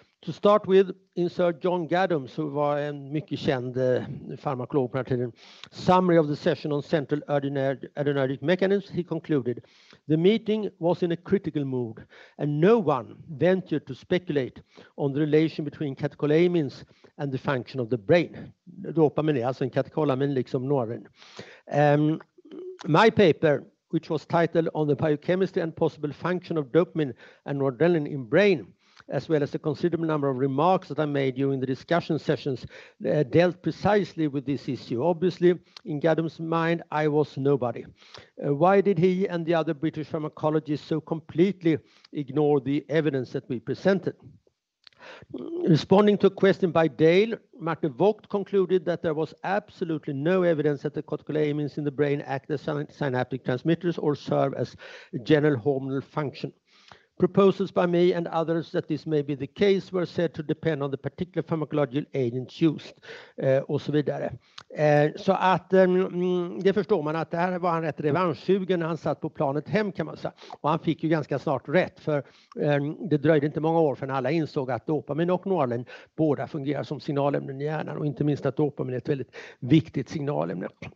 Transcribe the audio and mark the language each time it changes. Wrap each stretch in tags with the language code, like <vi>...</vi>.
<en>To start with, in Sir John Gaddams, who</en> <sv>var en mycket känd farmakolog på den tiden,</sv> <en>summary of the session on central adrenergic mechanisms, he concluded, the meeting was in a critical mood, and no one ventured to speculate on the relation between catecholamines and the function of the brain.</en> <sv>Dopamin är alltså en catecholamin, liksom norrin.</sv> <en>My paper, which was titled On the Biochemistry and Possible Function of Dopamine and Noradrenaline in Brain, as well as a considerable number of remarks that I made during the discussion sessions, dealt precisely with this issue. Obviously, in Gaddams' mind, I was nobody. Why did he and the other British pharmacologists so completely ignore the evidence that we presented? Responding to a question by Dale, Martin Vogt concluded that there was absolutely no evidence that the catecholamines in the brain act as synaptic transmitters or serve as general hormonal function. Proposals by me and others that this may be the case were said to depend on the particular pharmacological agents used,</en> <sv>och så vidare. Så att det förstår man att det här var en rätt revanschsugen när han satt på planet hem, kan man säga. Och han fick ju ganska snart rätt, för det dröjde inte många år förrän alla insåg att dopamin och noradrenalin båda fungerar som signalämnen i hjärnan, och inte minst att dopamin är ett väldigt viktigt signalämne.</sv>